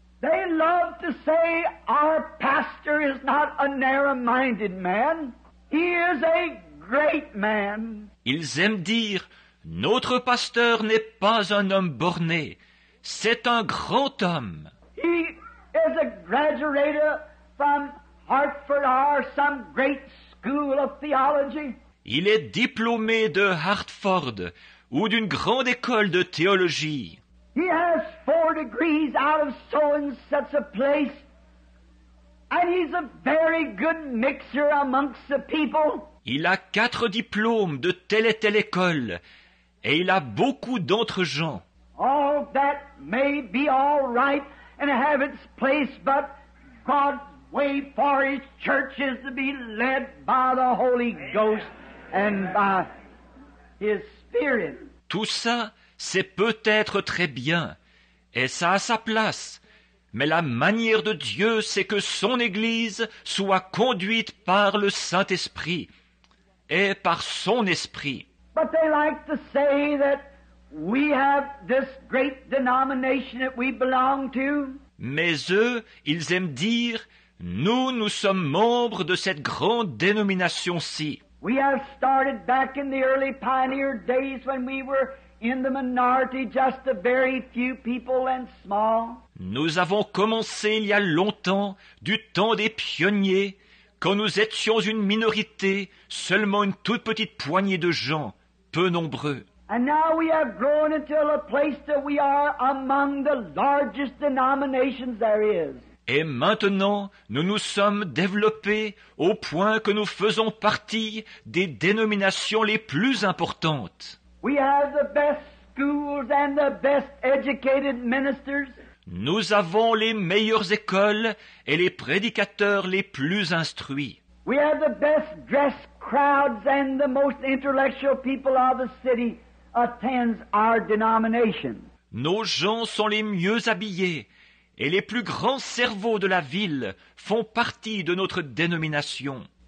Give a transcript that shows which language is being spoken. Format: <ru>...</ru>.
<en>They love to say, our pastor is not a narrow-minded man. He is a great man.</en> <fr>Ils aiment dire, notre pasteur n'est pas un homme borné. C'est un grand homme.</fr> <en>He is a graduate from Hartford or some great school of theology.</en> <fr>Il est diplômé de Hartford ou d'une grande école de théologie.</fr> <en>He has 4 degrees out of so and such a place. And he's a very good mixer amongst the people.</en> <fr>Il a 4 diplômes de telle et telle école. Et il a beaucoup d'autres gens.</fr> <en>All that may be all right and have its place, but God's way for his church is to be led by the Holy Ghost and by his Spirit.</en> <fr>Tout ça, c'est peut-être très bien, et ça a sa place, mais la manière de Dieu, c'est que son Église soit conduite par le Saint-Esprit, et par son Esprit.</fr> <en>But they like to say that we have this great denomination that we belong to.</en> <fr>Mais eux, ils aiment dire, nous sommes membres de cette grande dénomination-ci.</fr> <en>We have started back in the early pioneer days when we were in the minority, just a very few people and small.</en> <fr>Nous avons commencé il y a longtemps, du temps des pionniers, quand nous étions une minorité, seulement une toute petite poignée de gens, peu nombreux.</fr> <en>And now we have grown into a place that we are among the largest denominations there is.</en> <fr>Et maintenant, nous nous sommes développés au point que nous faisons partie des dénominations les plus importantes.</fr> <en>We have the best schools and the best educated ministers.</en> <fr>Nous avons les meilleures écoles et les prédicateurs les plus instruits.</fr> <en>We have the best dressed crowds and the most intellectual people of the city attends our denomination.</en> <fr>Nos gens sont les mieux habillés. Et les plus grands cerveaux de la ville font partie de notre dénomination.</fr>